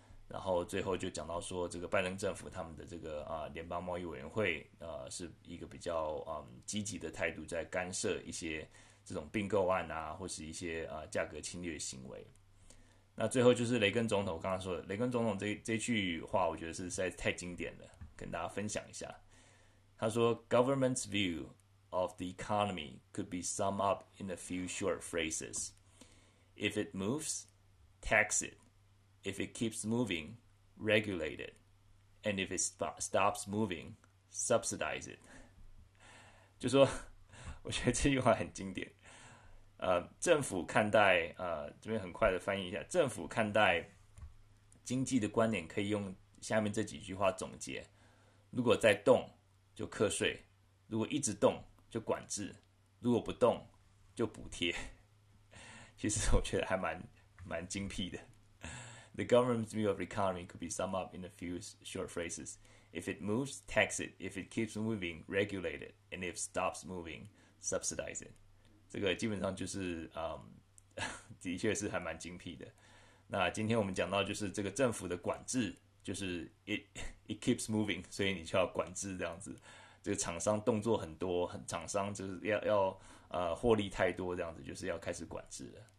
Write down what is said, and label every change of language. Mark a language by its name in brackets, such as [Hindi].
[Chinese] 然后最后就讲到说，这个拜登政府他们的这个联邦贸易委员会是一个比较积极的态度，在干涉一些这种并购案啊，或是一些价格侵略行为。那最后就是雷根总统，我刚刚说的雷根总统这句话，我觉得是实在太经典了，跟大家分享一下。他说：“ [English] Government's view of the economy could be summed up in a few short phrases. If it moves, tax it. If it keeps moving, regulate it. And if it stops moving, subsidize it.” [Chinese] 就说，我觉得这句话很经典。政府看待这边很快的翻译一下，政府看待经济的观点可以用下面这几句话总结：如果在动就课税，如果一直动就管制，如果不动就补贴。其实我觉得还蛮精辟的。 [English] The government's view of the economy could be summed up in a few short phrases. If it moves, tax it. If it keeps moving, regulate it. And if stops moving, subsidize it. [Chinese] 这个基本上就是，的确是还蛮精辟的。那今天我们讲到就是这个政府的管制，就是 [English] it keeps moving， [Chinese] 所以你就要管制这样子。这个厂商动作很多，很厂商就是要获利太多这样子，就是要开始管制了。